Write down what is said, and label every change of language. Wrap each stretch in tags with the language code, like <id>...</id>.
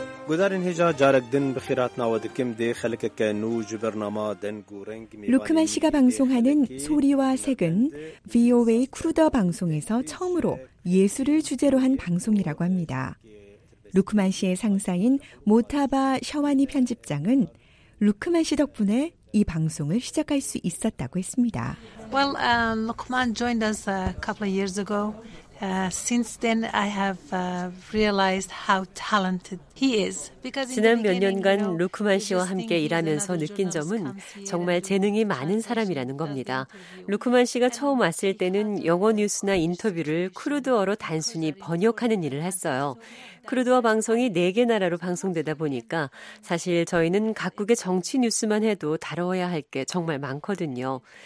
<ko>루크만 씨가 방송하는 소리와 색은 VOA 크루더 방송에서 처음으로 예술을 주제로 한 방송이라고 합니다. 루크만 씨의 상사인 모타바 샤와니 편집장은 루크만 씨 덕분에 이 방송을 시작할 수 있었다고 했습니다.</ko> <en>Well, Lukman joined us a couple of years ago. Since then, I have realized how talented he is. Because</en> <ko>지난 몇 년간 루크만 씨와 함께 일하면서 느낀 점은 정말 재능이 많은 사람이라는 겁니다. 루크만 씨가 처음 왔을 때는 영어 뉴스나 인터뷰를 크루드어로 단순히 번역하는 일을 했어요. 크루드어 방송이 4개 나라로 방송되다 보니까 사실 저희는 각국의 정치 뉴스만 해도 다뤄야 할 게 정말 많거든요.</ko>